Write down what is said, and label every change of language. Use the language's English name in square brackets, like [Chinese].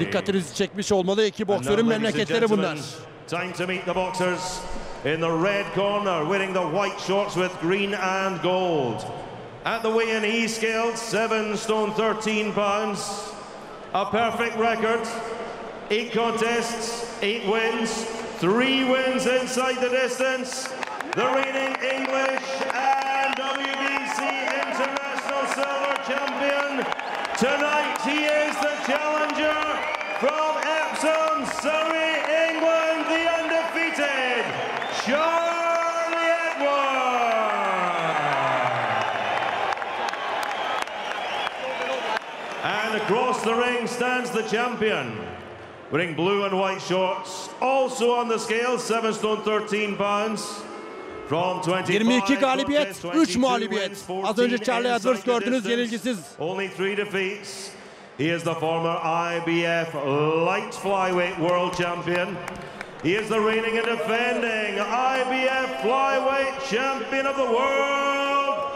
[Turkish] Dikkatinizi çekmiş olmalı, iki boksörün memleketleri bunlar. [English] Time to meet the boxers in the red corner, wearing the white shorts with green and gold. At the weigh-in, he scaled 7 stone 13 pounds. A perfect record. 8 contests, 8 wins, 3 wins inside the distance. The reigning English and WBC International Silver Champion. Tonight he is the challenger from Epsom, Surrey, England, the undefeated Charlie Edwards. And across the ring stands the champion, wearing blue and white shorts, also on the scale, 7 stone 13 pounds. [Turkish] 22 galibiyet, 3 mağlubiyet. Az önce Charlie Edwards gördünüz, yenilgisiz. [English] Only 3 defeats. He is the former IBF light flyweight world champion. He is the reigning and defending IBF flyweight champion of the world.